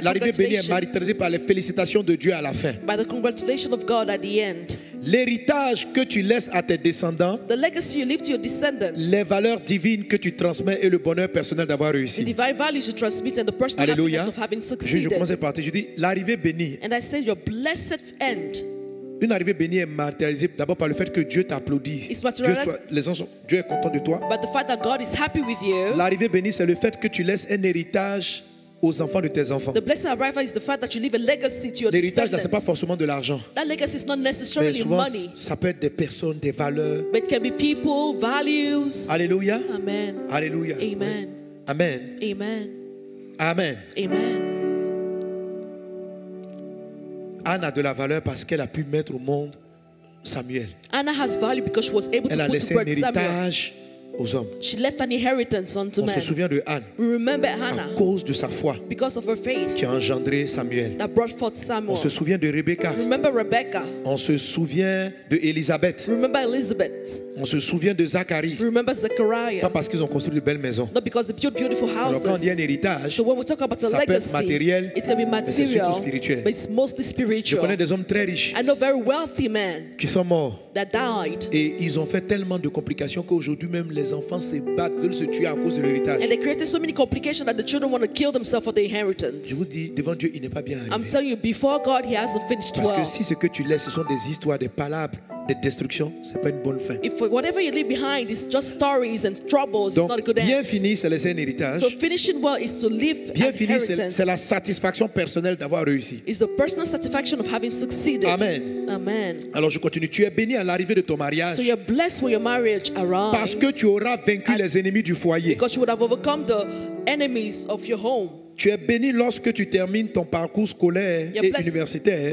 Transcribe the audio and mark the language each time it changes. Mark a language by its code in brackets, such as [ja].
[fr] l'arrivée bénie est matérialisée par les félicitations de Dieu à la fin. [en] By the congratulation of God at the end. [fr] L'héritage que tu laisses à tes descendants, [en] the legacy you leave to your descendants, [fr] les valeurs divines que tu transmets et le bonheur personnel d'avoir réussi. [en] The divine values you transmit and the personal Alleluia. Happiness of having succeeded. [fr] Je commence cette partie, je dis l'arrivée bénie. [en] And I say your blessed end. [fr] Une arrivée bénie est matérialisée d'abord par le fait que Dieu t'applaudit. [en] It's materialized. [fr] Les gens sont, Dieu est content de toi. [en] But the fact that God is happy with you. [fr] L'arrivée bénie, c'est le fait que tu laisses un héritage aux enfants de tes enfants. [en] The blessing of arrival is the fact that you leave a legacy to your descendants. [fr] L'héritage, ce n'est pas forcément de l'argent. [en] That legacy is not necessarily [fr] mais souvent, [en] money. [fr] Ça peut être des personnes, des valeurs. [en] But it can be people, values. Alléluia. Amen. Alléluia. Amen. Amen. Amen. Amen. Amen. [fr] Anna a de la valeur parce qu'elle a pu mettre au monde Samuel. [en] Anna has value because she was able [fr] elle [en] to put to birth Samuel. [fr] Elle a laissé un héritage aux hommes. [en] She left an inheritance unto [fr] men. On se souvient de Anne. [en] We remember Hannah. [fr] À cause de sa foi. [en] Because of her faith. [fr] Qui a engendré Samuel. [en] That brought forth Samuel. [fr] On se souvient de Rebecca. [en] We remember Rebecca. [fr] On se souvient de Elizabeth. [en] We remember Elizabeth. [fr] On se souvient de Zacharie. [en] We remember Zechariah. [fr] Pas parce qu'ils ont construit de belles maisons. [en] Not because they built beautiful houses. [fr] Alors quand on dit un héritage, [en] so when we talk about a legacy, [fr] ça peut être matériel, [en] it can be material, [fr] mais c'est spirituel. [en] But it's mostly spiritual. [fr] Je connais des hommes très riches. [en] I know very wealthy men. [fr] Qui sont morts. [en] That died. [fr] Et ils ont fait tellement de complications qu'aujourd'hui même les enfants se battent, veulent se tuer à cause de l'héritage. [en] And they created so many complications that the children want to kill themselves for the inheritance. [fr] Je vous dis, devant Dieu, il n'est pas bien arrivé. [en] I'm telling you, before God, he hasn't finished well. [fr] Parce que si ce que tu laisses, ce sont des histoires, des palabres, des destructions, c'est pas une bonne fin. [en] If whatever you leave behind is just stories and troubles, [fr] donc, [en] it's not a good end. [fr] Bien fini, c'est laisser un héritage. [en] So finishing well is to leave [fr] bien [en] an [fr] fini, [en] inheritance. [fr] Bien fini, c'est la satisfaction personnelle d'avoir réussi. [en] It's the personal satisfaction of having succeeded. Amen. Amen. [fr] Alors je continue. Tu es béni à l'arrivée de ton mariage. [en] So you're blessed when your marriage arrives. [fr] Parce que tu auras vaincu les ennemis du foyer. [en] Because you would have overcome the enemies of your home. [fr] Tu es béni lorsque tu termines ton parcours scolaire et universitaire.